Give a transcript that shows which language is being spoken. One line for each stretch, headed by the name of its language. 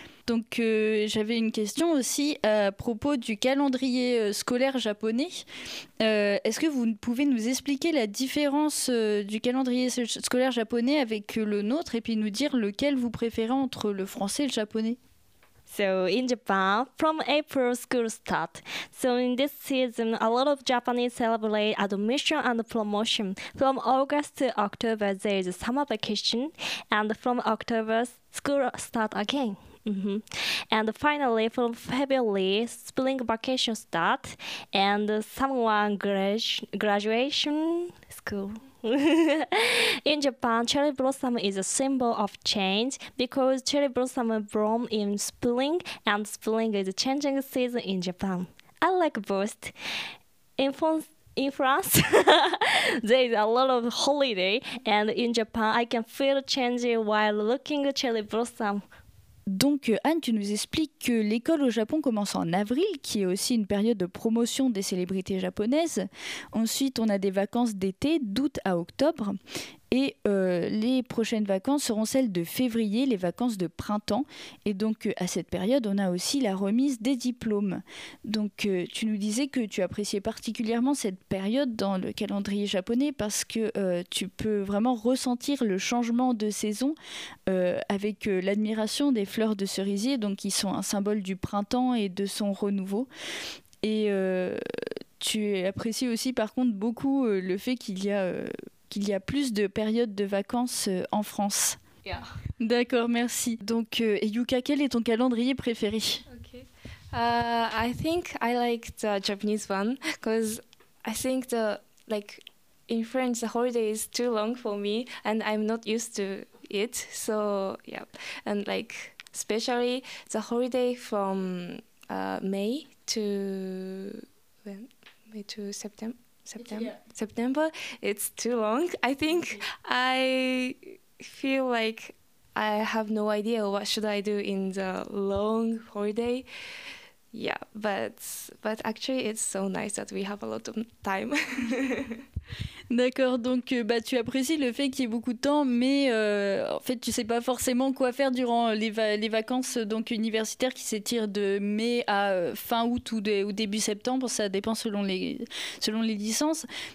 French: Donc j'avais une question aussi à propos du calendrier scolaire japonais. Est-ce que vous pouvez nous expliquer la différence du calendrier scolaire japonais avec le nôtre, et puis nous dire lequel vous préférez entre le français et le japonais?
English: So in Japan, from April school start. So in this season, a lot of Japanese celebrate admission and promotion. From August to October, there is summer vacation, and from October school start again. Mm-hmm. And finally, from February, spring vacation start, and someone graduation school. In Japan, cherry blossom is a symbol of change because cherry blossom bloom in spring, and spring is a changing season in Japan. I like both. In France, there is a lot of holiday, and in Japan, I can feel change while looking at cherry blossom.
French: Donc Anne, tu nous expliques que l'école au Japon commence en avril, qui est aussi une période de promotion des célébrités japonaises. Ensuite, on a des vacances d'été, d'août à octobre. Et les prochaines vacances seront celles de février, les vacances de printemps. Et donc à cette période, on a aussi la remise des diplômes. Donc tu nous disais que tu appréciais particulièrement cette période dans le calendrier japonais parce que tu peux vraiment ressentir le changement de saison avec l'admiration des fleurs de cerisier, donc qui sont un symbole du printemps et de son renouveau. Et tu apprécies aussi par contre beaucoup le fait qu'il y a plus de périodes de vacances en France. Yeah. D'accord, merci. Donc, Yuka, quel est ton calendrier préféré? Okay.
English: I think I like the Japanese one because I think the like in France the holiday is too long for me and I'm not used to it. So yeah, and like especially the holiday from May to when? May to September. September, it's too long. I think I feel like I have no idea what should I do in the long holiday. Yeah, but actually it's so nice that we have a lot of time.
French: D'accord, donc bah, tu apprécies le fait qu'il y ait beaucoup de temps, mais en fait tu ne sais pas forcément quoi faire durant les vacances donc, universitaires qui s'étirent de mai à fin août ou début septembre, ça dépend selon les licences.